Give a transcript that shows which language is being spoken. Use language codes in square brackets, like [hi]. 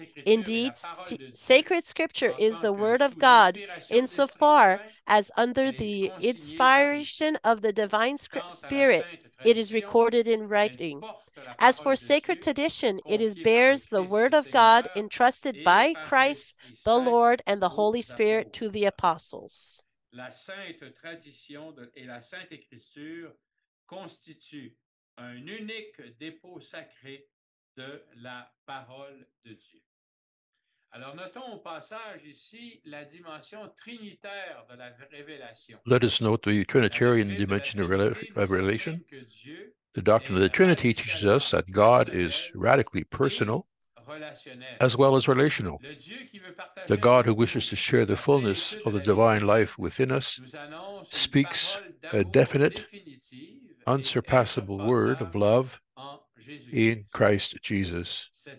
[en] Indeed, sacred scripture is the word of God insofar as under the inspiration of the divine spirit, it is recorded in writing. As for sacred tradition, it bears the word of God entrusted by Christ, the Lord, and the Holy Spirit to the apostles. [fr] La sainte tradition et la sainte écriture constituent un unique dépôt sacré de la parole de Dieu. Alors notons au passage ici la dimension trinitaire de la révélation. [en] Let us note the Trinitarian dimension of revelation. The doctrine of the Trinity teaches us that God is radically personal, as well as relational. The God who wishes to share the fullness of the divine life within us speaks a definite, unsurpassable word of love in Christ Jesus.